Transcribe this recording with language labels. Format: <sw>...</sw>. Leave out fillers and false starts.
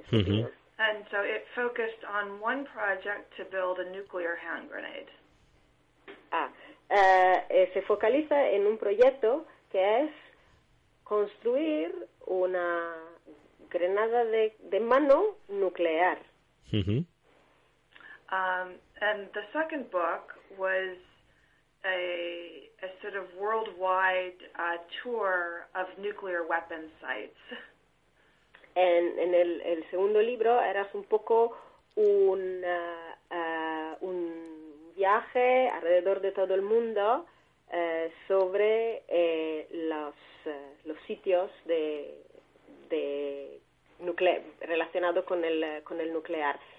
<en>Uh-huh. And so it focused on one project to build a nuclear hand grenade.</en> <es>Se focaliza en un proyecto que es construir una granada de mano nuclear. Mm-hmm.</es> <en>And the second book was a sort of worldwide tour of nuclear weapon sites.</en> <es>En el segundo libro era un poco un viaje alrededor de todo el mundo sobre los sitios de relacionado con el nuclear.</es>